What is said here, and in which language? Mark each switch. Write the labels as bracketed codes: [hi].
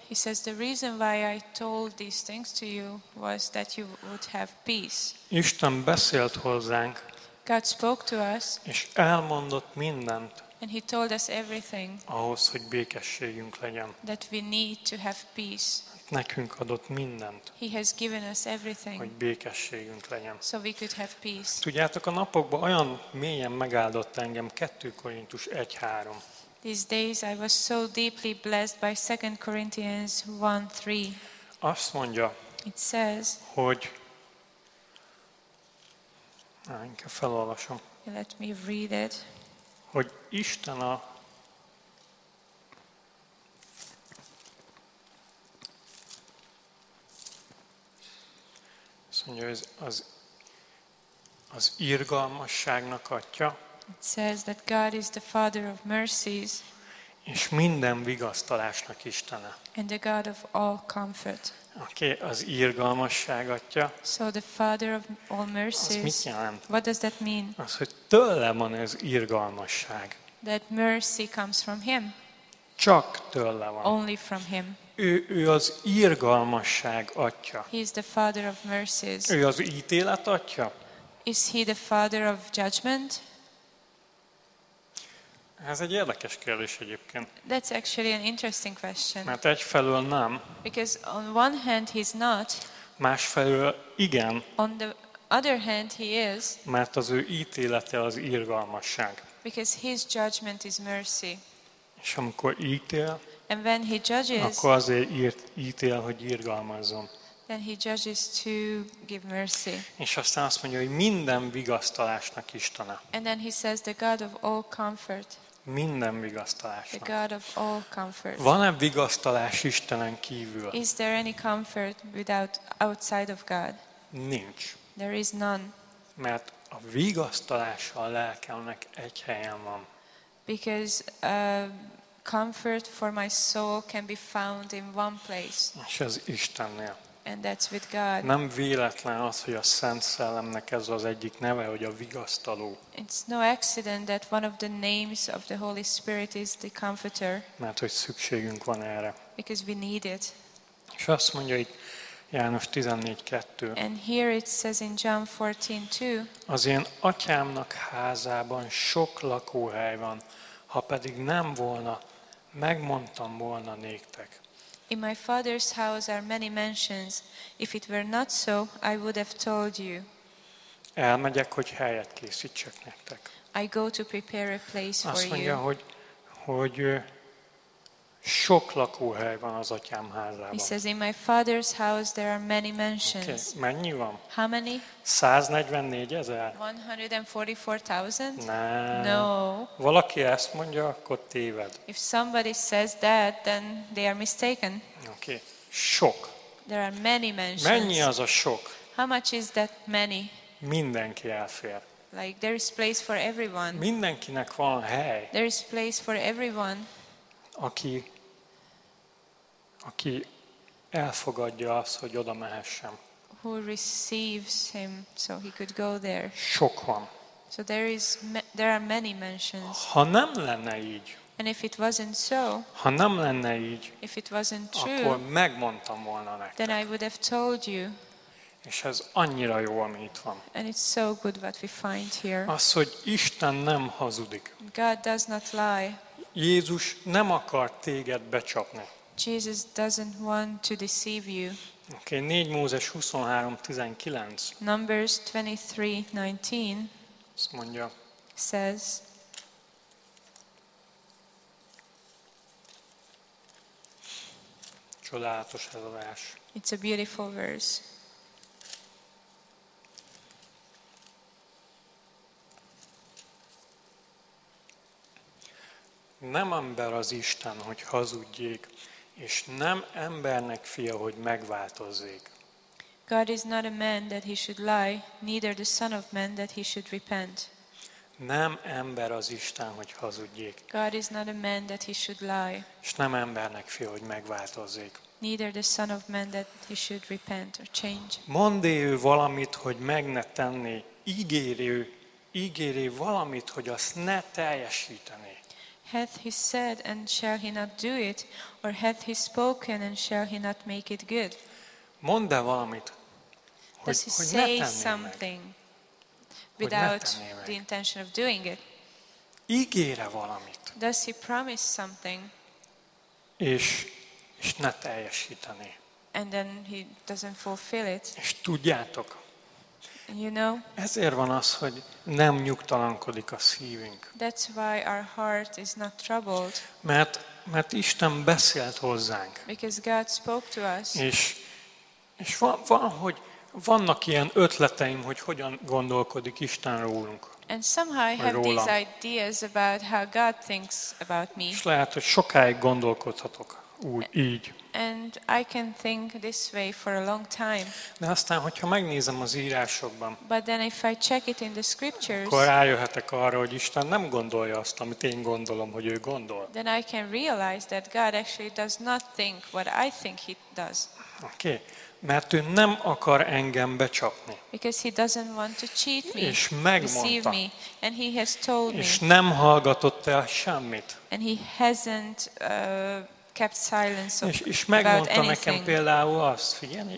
[en] He says the reason why I told these things to you was that you would have peace. [hu] Isten beszélt hozzánk. [en] God spoke to us. [hu] És elmondott mindent. [en] And he told us everything. [hu] Ahhoz, hogy békességünk legyen. [en] That we need to have peace. [hu] Nekünk adott mindent. [en] He has given us everything. [hu] Hogy békességünk legyen. [en] So we could have peace. [hu] Tudjátok, a napokban olyan mélyen megáldott engem 2 Korintus 1:3. [en] These days I was so deeply blessed by 2 Corinthians 1:3. [hu] Azt mondja. [en] It says. [hu] Hogy. Inkább felolvasom. [en] Let me read it. [hu] Hogy Isten a mondja, hogy az irgalmasságnak atya. [en] It says that God is the Father of mercies. [hu] És minden vigasztalásnak Istene. [en] And the God of all comfort. [hu] Okay, az irgalmasság atya. [en] So the Father of all mercies. [hu] Az mit jelent? [en] What does that mean? [hu] Az, hogy tőle van ez irgalmasság. [en] That mercy comes from him. [hu] Csak tőle van. [en] Only from him. [hu] Ő az irgalmasság atya. [en] He is the father of mercies. [hu] Ő az ítélet atya. [en] Is he the father of judgment? [hu] Ez egy érdekes kérdés egyébként. [en] That's actually an interesting question. [hu] Mert egyfelől nem. [en] Because on one hand he's not. [hu] Másfelől igen. [en] On the other hand he is. [hu] Mert az ő ítélete az irgalmasság. [en] Because his judgment is mercy. [hu] És amikor ítél. [en] And when he judges, [hu] akkor azért ítél, hogy irgalmazzon. [en] Then he judges to give mercy. [hu] És aztán azt mondja, hogy minden vigasztalásnak Istene. [en] And then he says the God of all comfort. [hu] Minden vigasztalásnak. [en] The God of all comfort. [hu] Van-e vigasztalás Istenen kívül? [en] Is there any comfort without outside of God? [hu] Nincs. [en] There is none. [hu] Mert a vigasztalás a lelkemnek egy helyen van. [en] Because comfort for my soul can be found in one place. [hu] És az Istennél. [en] And that's with God. [hu] Nem véletlen az, hogy a Szent Szellemnek ez az egyik neve, hogy a vigasztaló. [en] It's no accident that one of the names of the Holy Spirit is the Comforter. [hu] Mert hogy szükségünk van erre. [en] Because we need it. [hu] És azt mondja itt János 14:2. [en] And here it says in John 14:2. [hu] Az én atyámnak házában sok lakóhely van. Ha pedig nem volna, megmondtam volna néktek. [en] In my father's house are many mansions. If it were not so, I would have told you. [hu] Elmegyek, hogy helyet készítsek nektek. [en] I go to prepare a place for you. [hu] Azt mondja, hogy sok lakóhely van az atyám házában. [en] He says, in my father's house there are many mansions. [hu] Okay. Mennyi van? [en] How many? [hu] 144,000. [en] 144,000? Nah. No. [hu] Valaki ezt mondja, akkor téved. [en] If somebody says that, then they are mistaken. [hu] Okay. Sok. [en] There are many mansions. [hu] Mennyi az a sok? [en] How much is that many? [hu] Mindenki elfér. [en] Like there is place for everyone. [hu] Mindenkinek van hely. [en] There is place for everyone. [hu] Aki elfogadja azt, hogy oda mehessem. [en] who receives him so he could go there. [hu] Sok van. [en] So there are many mansions. [hu] Ha nem lenne így. [en] And if it wasn't so. [hu] Ha nem lenne így. [en] If it wasn't true. [hu] Akkor megmondtam volna nektek. [en] Then I would have told you. [hu] És ez annyira jó, ami itt van. [en] And it's so good what we find here. [hu] Az, hogy Isten nem hazudik. [en] God does not lie. [hu] Jézus nem akar téged becsapni. [en] Jesus doesn't want to deceive you. [hu] Okay, 4 Mózes 23:19. [en] Numbers 23:19. [hu] Azt mondja. [en] Says. [hu] Csodálatos ez a vers. [en] It's a beautiful verse. [hu] Nem ember az Isten, hogy hazudjék, és nem embernek fia, hogy megváltozzék. [en] God is not a man that he should lie, neither the son of man that he should repent. [hu] Nem ember az Isten, hogy hazudjék. [en] God is not a man that he should lie. [hu] És nem embernek fia, hogy megváltozzék. [en] Neither the son of man that he should repent or change. [hu] Mondj ő valamit, hogy meg ne tenni, ígérj valamit, hogy azt ne teljesítené. [en] Hath he said and shall he not do it, or hath he spoken and shall he not make it good? [hu] Mondd el valamit, hogy ne tennél meg. [en] Without the intention of doing it. [hu] Ígér-e valamit. [en] Does he promise something? [hu] És ne teljesíteni. [en] And then he doesn't fulfill it. [hu] És tudjátok. [en] You know, [hu] ezért van az, hogy nem nyugtalankodik a szívünk. [en] That's why our heart is not troubled. [hu] Mert Isten beszélt hozzánk. [en] Because God spoke to us. [hu] És vannak ilyen ötleteim, hogy hogyan gondolkodik Isten rólunk. [en] And somehow I have these ideas about how God thinks about me. [hu] És lehet, hogy sokáig gondolkodhatok úgy, így. [en] And I can think this way for a long time. [hu] De aztán, hogyha megnézem az írásokban. [en] But then if I check it in the scriptures. [hu] Akkor rájöhetek arra, hogy Isten nem gondolja azt, amit én gondolom, hogy ő gondol. [en] Then I can realize that God actually does not think what I think he does. Okay. [hu] Mert ő nem akar engem becsapni. [en] Because he doesn't want to cheat me. [hu] És megmondta. [en] Me, and he has told [hu] és [en] me. [hu] Nem hallgatott el semmit. [en] And he hasn't kept silence about anything. [hu] És megmondta nekem például azt, figyelj.